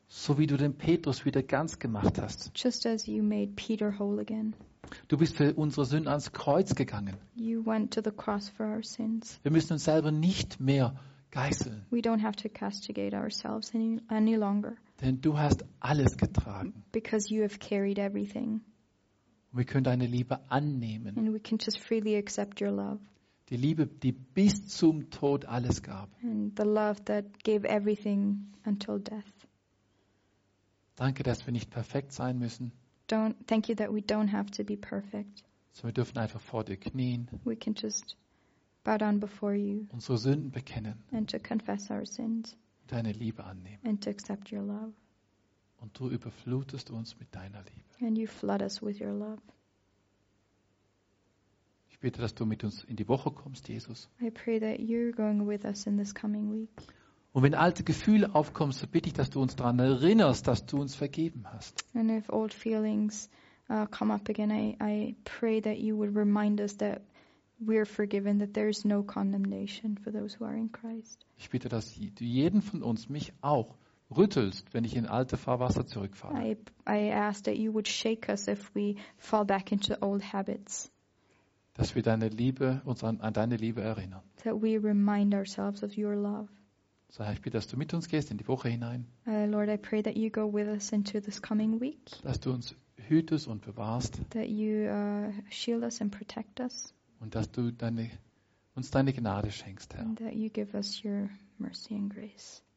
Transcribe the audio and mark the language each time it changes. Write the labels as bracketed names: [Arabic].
[German] So wie du den Petrus wieder ganz gemacht hast. [English] Just as you made Peter whole again. [German] Du bist für unsere Sünden ans Kreuz gegangen. [English] You went to the cross for our sins. [German] Wir müssen uns selber nicht mehr geißeln. [English] We don't have to castigate ourselves any longer. [German] Denn du hast alles getragen. [English] Because you have carried everything. [German] Und wir können deine Liebe annehmen. [English] And we can just freely accept your love. [German] Die Liebe, die bis zum Tod alles gab. [English] And the love that gave everything until death. [German] Danke, dass wir nicht perfekt sein müssen. [English] Thank you that we don't have to be perfect. [German] So wir dürfen einfach vor dir knien. [English] We can just bow down before you. [German] Unsere Sünden bekennen. [English] And to confess our sins. [German] Deine Liebe annehmen. [English] And to accept your love. [German] Und du überflutest uns mit deiner Liebe. [English] And you flood us with your love. [German] Ich bitte, dass du mit uns in die Woche kommst, Jesus. [English] I pray that you're going with us in this coming week. [German] Und wenn alte Gefühle aufkommen, so bitte ich, dass du uns daran erinnerst, dass du uns vergeben hast. [English] And if old feelings come up again, I pray that you would remind us that we're forgiven, that there is no condemnation for those who are in Christ. [German] Ich bitte, dass du jeden von uns, mich auch, rüttelst, wenn ich in alte Fahrwasser zurückfahre. [English] I ask that you would shake us if we fall back into old habits. [German] Dass wir deine Liebe, uns an deine Liebe erinnern. [English] That we remind ourselves of your love. [German] So, Herr, ich bitte, dass du mit uns gehst in die Woche hinein. [English] Lord, I pray that you go with us into this coming week. [German] Dass du uns hütest und bewahrst. [English] That you shield us and protect us. [German] Und dass du uns deine Gnade schenkst, Herr. [English] And that you give us your mercy and grace.